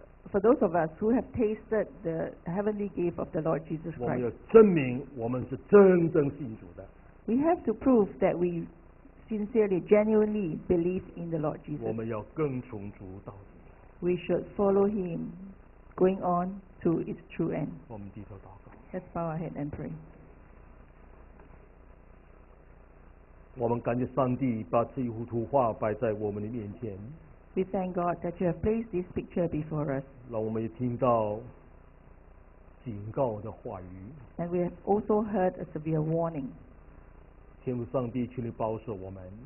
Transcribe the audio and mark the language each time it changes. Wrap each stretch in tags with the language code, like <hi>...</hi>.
<en>for those of us who have tasted the heavenly gift of the Lord Jesus Christ,</en> <zh>我们要证明我们是真正信主的。</zh> <en>We have to prove that we sincerely, genuinely believe in the Lord Jesus.</en> <zh>我们要跟从主到底。</zh> <en>We should follow Him, going on to its true end.</en> <zh>我们低头祷告。</zh> <en>Let's bow our head and pray.</en> <zh>我们感谢上帝把这一幅图画摆在我们的面前。</zh> <en>We thank God that you have placed this picture before us.</en> <zh>让我们也听到警告的话语。</zh> <en>And we have also heard a severe warning.</en> <zh>天父上帝，求你保守我们。</zh>